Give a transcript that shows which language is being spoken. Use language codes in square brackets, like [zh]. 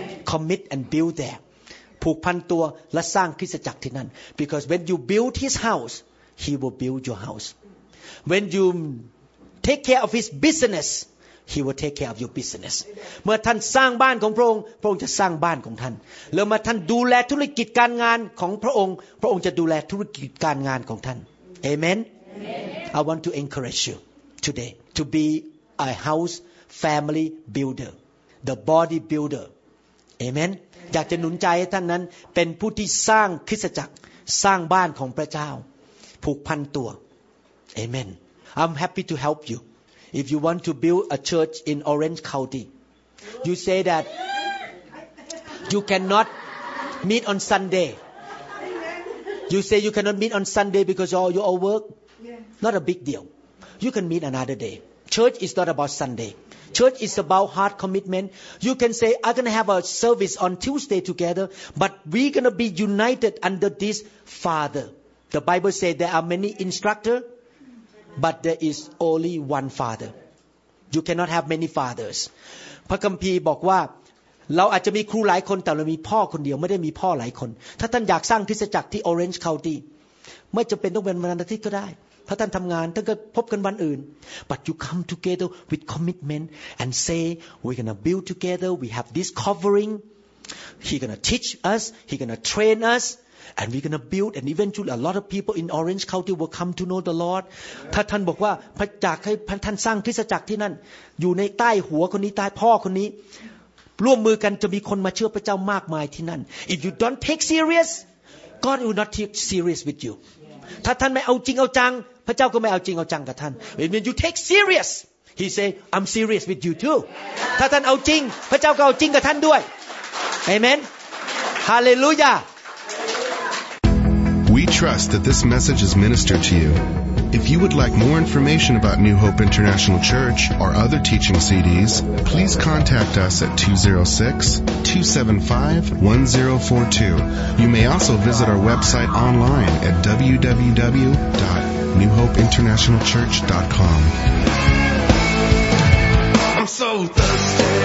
[en] Commit and build there. [th] ผูกพันตัวและสร้างคริสตจักรที่นั่น [en] Because when you build his house, he will build your house. When you take care of his business, he will take care of your business. [th] เมื่อท่านสร้างบ้านของพระองค์พระองค์จะสร้างบ้านของท่านเมื่อท่านดูแลธุรกิจการงานของพระองค์พระองค์จะดูแลธุรกิจการงานของท่าน Amen. [en] Amen. I want to encourage you today to be a house family builder, the body builder. Amen. [th] อยากจะหนุนใจให้ท่านนั้นเป็นผู้ที่สร้างคริสตจักรสร้างบ้านของพระเจ้าผูกพันตัว Amen. [en] I'm happy to help you. If you want to build a church in Orange County, you say that you cannot meet on Sunday. You say you cannot meet on Sunday because you all work. Not a big deal. You can meet another day. Church is not about Sunday. Church is about heart commitment. You can say, I'm going to have a service on Tuesday together, but we're going to be united under this Father. The Bible says there are many instructors,But there is only one father. You cannot have many fathers. [th] พระคัมภีร์บอกว่าเราอาจจะมีครูหลายคนแต่เรามีพ่อคนเดียวไม่ได้มีพ่อหลายคนถ้าท่านอยากสร้างคริสตจักรที่ Orange County ไม่จำเป็นต้องเป็นวันอาทิตย์ก็ได้ถ้าท่านทำงานท่านก็พบกันวันอื่น [en] But you come together with commitment and say we're gonna build together. We have this covering. He gonna teach us. He gonna train us. And we're gonna build, and eventually a lot of people in Orange County will come to know the Lord. [th] ถ้าท่านบอกว่าพระจักให้ท่านสร้างคริสตจักรที่นั่นอยู่ในใต้หัวคนนี้ใต้พ่อคนนี้ร่วมมือกันจะมีคนมาเชื่อพระเจ้ามากมายที่นั่น [en] If you don't take serious, God will not take serious with you. [th] ถ้าท่านไม่เอาจริงเอาจังพระเจ้าก็ไม่เอาจริงเอาจังกับท่าน [en] When you take serious, He say, I'm serious with you too. [th] ถ้าท่านเอาจริงพระเจ้าก็เอาจริงกับท่านด้วย Amen. [en] Hallelujah. We trust that this message is ministered to you. If you would like more information about New Hope International Church or other teaching CDs, please contact us at 206-275-1042. You may also visit our website online at www.newhopeinternationalchurch.com. I'm so thirsty.